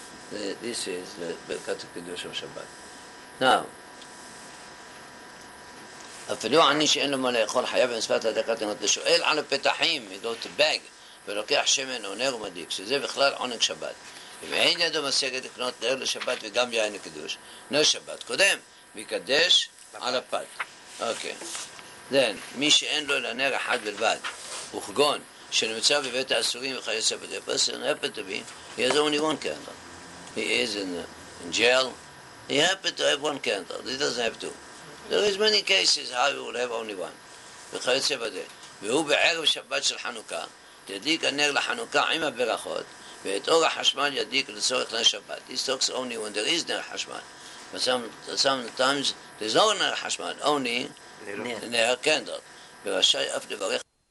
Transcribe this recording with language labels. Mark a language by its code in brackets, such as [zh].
[en] This is the Berkat Kedosh of Shabbat. [he] Now, אפילו עני שאין לו מה לאכול חייב במצוות הדקת נרות. לשואל על הפתחים, [en] he go to bag, [he] ולוקח שמן או נר ומדליק, שזה בכלל עונג שבת. אם אין ידו משגת לקנות נר לשבת וגם יין לקידוש, נר שבת קודם, מקדש על הפת. אוקיי. Then, מי שאין לו לנר אחד בלבד, וכגון, שנמצא בבית האסורים וחייסה בדי פרסן, [en] happened to be, he has only one candle. He is in jail. He happened to have one candle. He doesn't have two. There is many cases how you will have only one. [he] וחייסה בדי. והוא בערב שבת של חנוכה, תדליק הנר לחנוכה עם הברכות, ואת אור החשמל ידליק לצורך נר שבת. [en] He talks only when there is נר חשמל. But sometimes there's no נר חשמל, only נר קנדל. [he] ורשאי אף לברך.